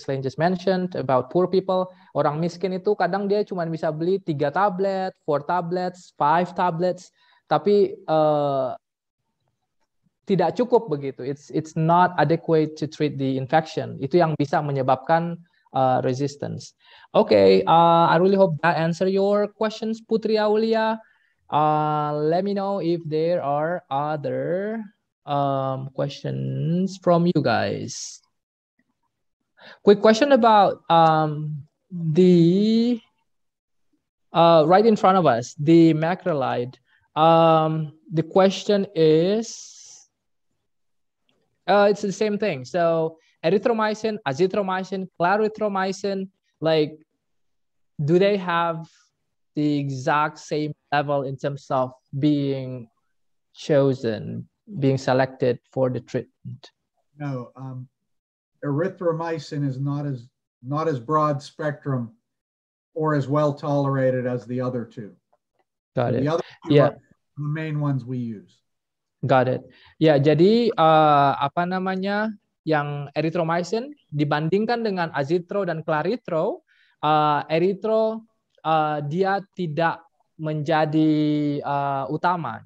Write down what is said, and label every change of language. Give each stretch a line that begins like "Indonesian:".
English: Slane just mentioned about poor people,
Indonesian: orang miskin itu kadang dia cuma bisa beli 3 tablet, 4 tablets, 5 tablets, tapi tidak cukup begitu.
English: It's not adequate to treat the infection.
Indonesian: Itu yang bisa menyebabkan resistance.
English: Okay, I really hope that answers your questions, Putri Aulia. Let me know if there are other questions from you guys. Quick question about right in front of us, the macrolide. The question is, it's the same thing. So erythromycin, azithromycin, clarithromycin, like, do they have the exact same level in terms of being chosen, being selected for the treatment? No, erythromycin is not as broad spectrum or as well tolerated as the other two. Got it. The other two are the main ones we use. Got it.
Indonesian: Yeah, jadi apa namanya, yang erythromycin dibandingkan dengan azitro dan claritro, eritro dia tidak menjadi utama.